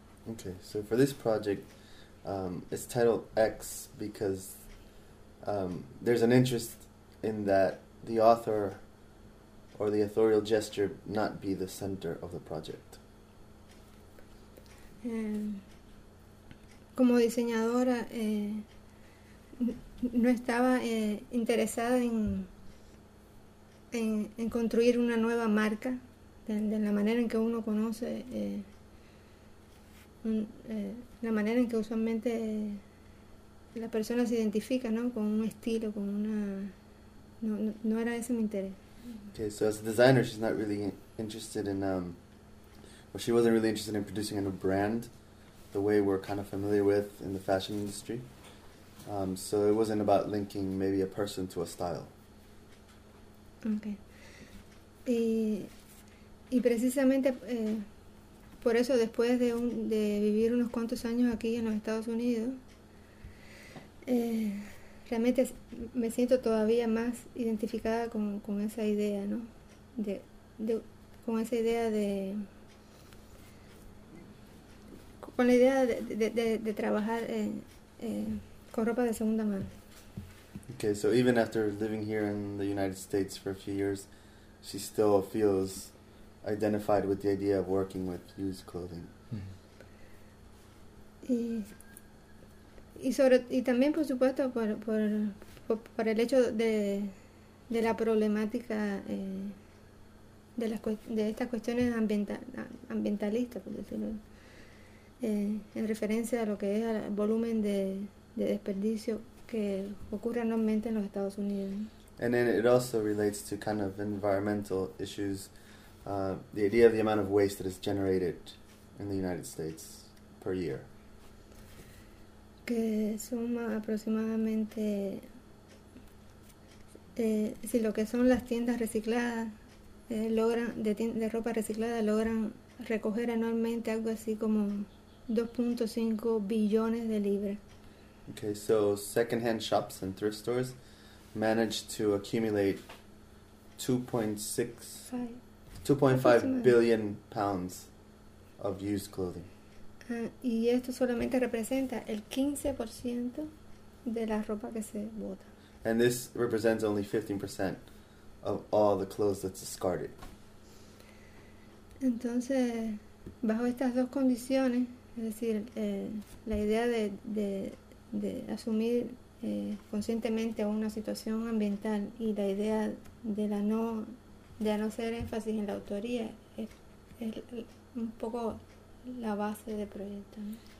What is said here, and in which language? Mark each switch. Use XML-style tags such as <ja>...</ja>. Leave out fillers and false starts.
<en>Okay, so for this project, it's titled X because there's an interest in that the author or the authorial gesture not be the center of the project.</en> <es>Como diseñadora, no estaba interesada en construir una nueva marca de la manera en que uno conoce, la manera en que usualmente la persona se identifica, ¿no? Con un estilo, con una... No era ese mi interés.</es> <en>Okay, so as a designer, she's not really interested in... Well, she wasn't really interested in producing a new brand, the way we're kind of familiar with in the fashion industry. So it wasn't about linking maybe a person to a style. Okay.</en> <es>Y precisamente por eso, después de vivir unos cuantos años aquí en los Estados Unidos, Realmente me siento todavía más identificada con esa idea, ¿no? Con esa idea de. Con la idea de trabajar con ropa de segunda mano.</es> <en>Okay, so even after living here in the United States for a few years, she still feels identified with the idea of working with used clothing.</en> <es>Y también, por supuesto, por el hecho de la problemática de estas cuestiones ambientalistas, por decirlo, en referencia a lo que es el volumen de desperdicio que ocurre normalmente en los Estados Unidos, ¿no?</es> <en>And then it also relates to kind of environmental issues, the idea of the amount of waste that is generated in the United States per year.</en> <es>Que suma aproximadamente si lo que son las tiendas recicladas logran de ropa reciclada logran recoger anualmente algo así como 2.5 billones de libras.</es> <en>Okay, so secondhand shops and thrift stores managed to accumulate 2.6, Five. 2.5</en> <es>Aproximadamente.</es> <en>billion pounds of used clothing.</en> <es>Y esto solamente representa el 15% de la ropa que se bota.</es> <en>And this represents only 15% of all the clothes that's discarded.</en> <es>Entonces, bajo estas dos condiciones, es decir, la idea de asumir conscientemente una situación ambiental y la idea de no hacer énfasis en la autoría, es un poco la base del proyecto, ¿no?</es>